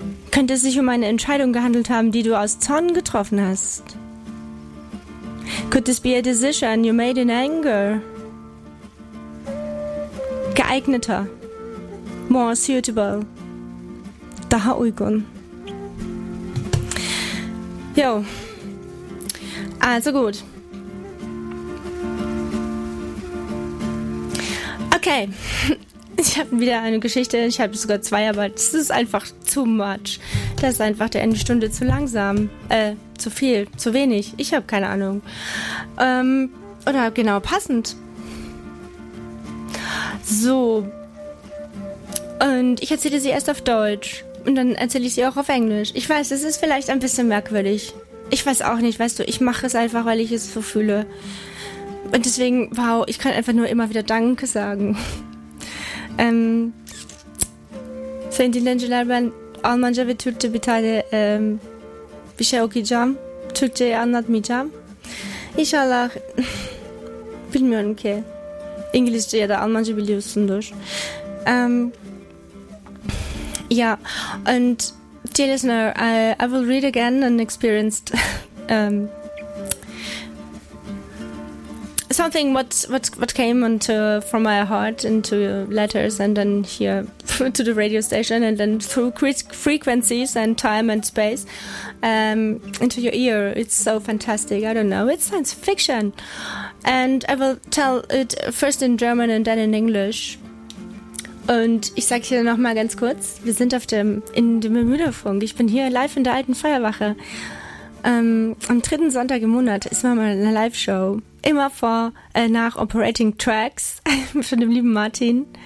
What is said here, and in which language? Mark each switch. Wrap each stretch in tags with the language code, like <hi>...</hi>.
<de>Könnte es sich um eine Entscheidung gehandelt haben, die du aus Zorn getroffen hast?</de> <en>Could this be a decision you made in anger?</en> <de>Geeigneter.</de> <en>More suitable.</en> <tr>Daha uygun.</tr> <de>Jo. Also gut. Okay. Ich habe wieder eine Geschichte. Ich habe sogar zwei, aber das ist einfach</de> <en>too much.</en> <de>Das ist einfach der eine Stunde zu langsam. Zu viel. Zu wenig. Ich habe keine Ahnung. Oder genau passend. So. Und ich erzähle sie erst auf Deutsch. Und dann erzähle ich sie auch auf Englisch. Ich weiß, das ist vielleicht ein bisschen merkwürdig. Ich weiß auch nicht, weißt du. Ich mache es einfach, weil ich es so fühle. Und deswegen, wow, ich kann einfach nur immer wieder Danke sagen.</de> <tr>Sayın dinleyiciler, ben Almanca ve Türkçe bir tane bir şey okuyacağım. Türkçeyi anlatmayacağım. İnşallah, bilmiyorum ki, İngilizce ya da Almanca biliyorsundur.</tr> <en>And dear listener, I will read again an experienced something what came from my heart into letters and then here to the radio station and then through frequencies and time and space into your ear. It's so fantastic. I don't know. It's science fiction. And I will tell it first in German and then in English.</en> <de>Und ich sage hier nochmal ganz kurz, wir sind in dem Bemühterfunk. Ich bin hier live in der alten Feuerwache. Am dritten Sonntag im Monat ist mal eine Live-Show. Immer vor, nach Operating Tracks von dem lieben Martin.</de>